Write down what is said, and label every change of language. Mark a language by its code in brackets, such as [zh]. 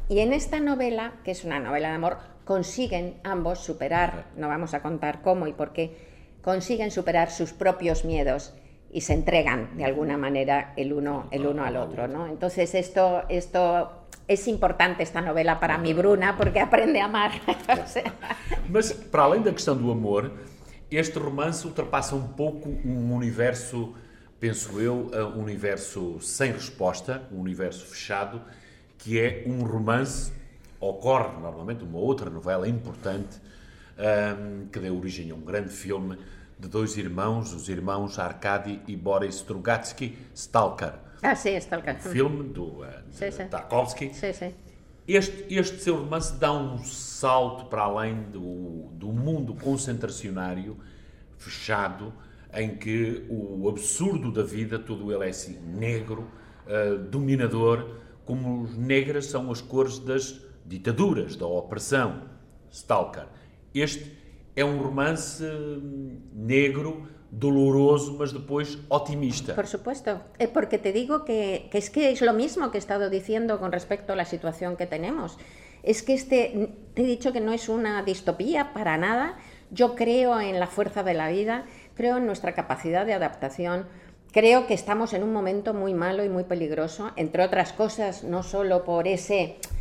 [es] Y en esta novela, que es una novela de amor, consiguen ambos superar, no vamos a contar cómo y por qué, consiguen superar sus propios miedos y se entregan de alguna manera el uno al otro, ¿no? Entonces esto es importante esta novela para mi Bruna, porque aprende a amar. [pt] Mas, para além da questão do amor, este romance ultrapassa um pouco um universo, penso eu, um universo sem resposta, um universo fechado, que é um romance, ocorre normalmente uma outra novela importante, que deu origem a um grande filme, de dois irmãos, os irmãos Arkady e Boris Strugatsky, Stalker. Ah, sim, Stalker. O filme do Tarkovsky. Sim, sim. Este seu romance dá um salto para além do mundo concentracionário, fechado, em que o absurdo da vida, todo ele é assim, negro, dominador, como negras são as cores das ditaduras, da opressão, Stalker. Este é um romance negro, doloroso, mas depois otimista. [es] Por supuesto, porque te digo que es que es lo mismo que he estado diciendo con respecto a la situación que tenemos. Es que te he dicho que no es una distopía para nada. Yo creo en la fuerza de la vida, creo en nuestra capacidad de adaptación. Creo que estamos en un momento muy malo y muy peligroso, entre otras cosas, no solo por ese